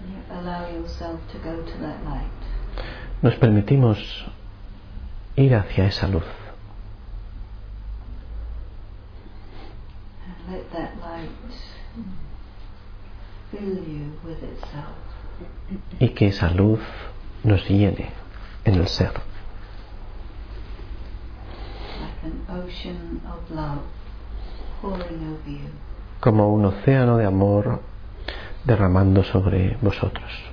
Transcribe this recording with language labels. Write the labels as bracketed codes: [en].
[en] Allow yourself to go to that light. [es] Nos permitimos ir hacia esa luz. [en] And let that light fill you with itself. [es] Y que esa luz nos llene en el ser. [en] Like an ocean of love pouring over you. [es] Como un océano de amor derramando sobre vosotros.